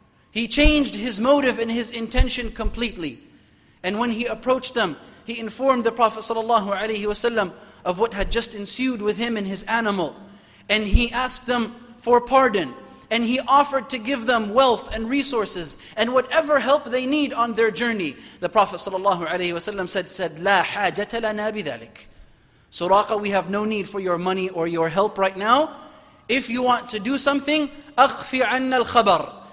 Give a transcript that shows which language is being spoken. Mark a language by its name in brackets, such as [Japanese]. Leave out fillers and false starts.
[English] He changed his motive and his intention completely. And when he approached them, he informed the Prophet sallallahu alaihi wasallam of what had just ensued with him and his animal. And he asked them for pardon. And he offered to give them wealth and resources and whatever help they need on their journey. The Prophet ﷺ said, [Arabic] لا حاجة لنا بذلك. [English] Suraqa, we have no need for your money or your help right now. If you want to do something, [Arabic] أخفي عنا الخبر.